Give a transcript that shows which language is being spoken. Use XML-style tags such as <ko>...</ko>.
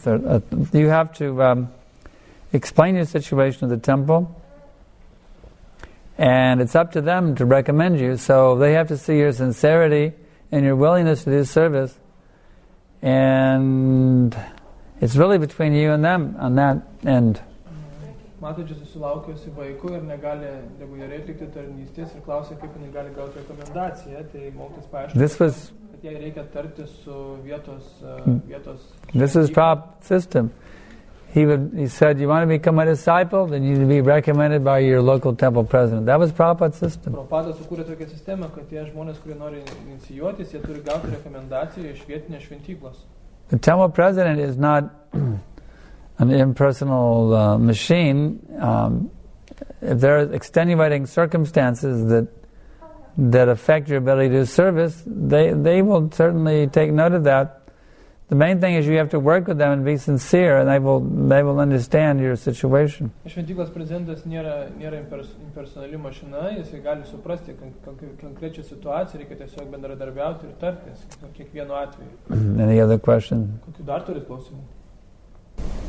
<en>You have to explain your situation to the temple, and it's up to them to recommend you. So they have to see your sincerity and your willingness to do service, and it's really between you and them on that end.</en> <lt>Matot, jis susilaukiasi vaikų ir negali reguliariai atlikti tarnystės ir klausia, kaip jis gali gauti rekomendaciją. Tai mokytis paaiškino, kad jai reikia tarti su vietos.</lt> <en>This is Prabhupada's system. He said, you want to become a disciple, then you need to be recommended by your local temple president. That was Prabhupada's system.</en> <lt>Prabhupada sukūrė tokią sistemą, kad tie žmonės, kurie nori inicijuotis, jie turi gauti rekomendaciją iš vietinės šventyklos.</lt> <en>The temple president is not an impersonal machine. If there are extenuating circumstances that affect your ability to do service, they will certainly take note of that. The main thing is you have to work with them and be sincere, and they will understand your situation.</en> <lt>Šventyklos prezidentas nėra impersonali mašina, jis gali suprasti konkrečią situaciją, reikia tiesiog bendradarbiauti ir tartis kiekvienu atveju.</lt> <en>Any other question?</en> <lt>Kokių dar turit klausimų?</lt>